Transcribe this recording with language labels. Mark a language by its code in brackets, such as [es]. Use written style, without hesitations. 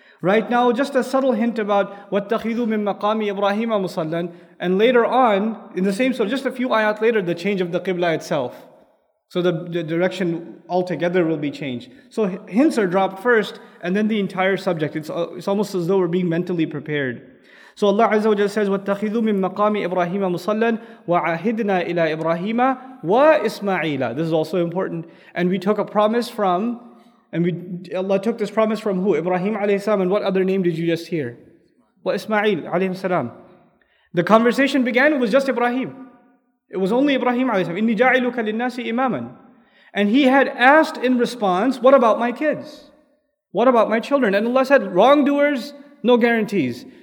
[en] Right now, just a subtle hint about [ar] وَاتَّخِذُوا مِن مَقَامِ إِبْرَاهِيمَ مُصَلًّا. [en] And later on, in the same surah, just a few ayat later, the change of the Qibla itself. So the direction altogether will be changed. So hints are dropped first, and then the entire subject. It's almost as though we're being mentally prepared. So Allah Azza wa Jalla says, [ar] وَاتَّخِذُوا مِن مَقَامِ إِبْرَاهِيمَ مُصَلًّا وَعَهِدْنَا إِلَىٰ إِبْرَاهِيمَ وَإِسْمَعِيلَ. [en] This is also important. And we took a promise from, Allah took this promise from who? Ibrahim alayhi salam. And what other name did you just hear? وَإِسْمَعِيلَ alayhi salam. The conversation began, it was just Ibrahim. It was only Ibrahim alayhi salam. [ar] إِنِّي جَعِلُكَ لِلنَّاسِ إِمَامًا. [en] And he had asked in response, what about my kids? What about my children? And Allah said, wrongdoers, no guarantees.